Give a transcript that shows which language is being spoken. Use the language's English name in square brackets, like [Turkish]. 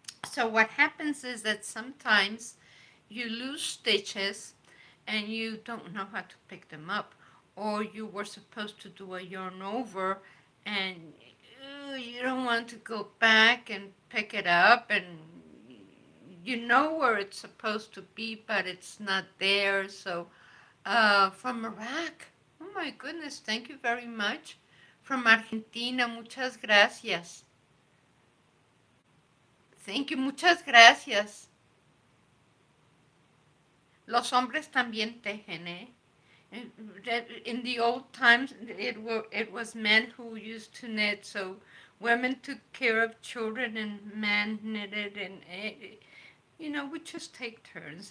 [English] So what happens is that sometimes you lose stitches and you don't know how to pick them up, or you were supposed to do a yarn over and you don't want to go back and pick it up, and you know where it's supposed to be, but it's not there. So from Iraq, oh my goodness, thank you very much. From Argentina, [Spanish] muchas gracias. [English] Thank you, [Spanish] muchas gracias. Los hombres también tejen, eh? [English] In the old times, it was men who used to knit, so women took care of children and men knitted, and you know, we just take turns.